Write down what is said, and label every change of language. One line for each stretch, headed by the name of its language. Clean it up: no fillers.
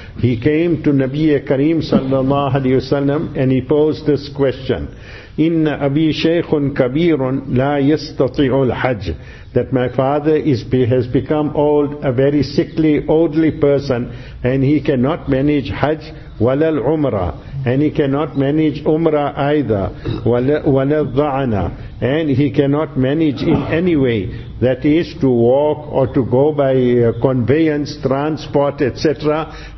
English: He came to
Arabic: نبي كريم صلى الله عليه وسلم
English: and he posed this question.
Arabic: إن أبي شيخ كبير لا يستطيع الحج.
English: That my father has become old, a very sickly, oldly person, and he cannot manage Hajj
Arabic: wala al-Umrah,
English: and he cannot manage Umrah either,
Arabic: wala al-Dha'ana,
English: and he cannot manage in any way, that is to walk or to go by conveyance, transport, etc.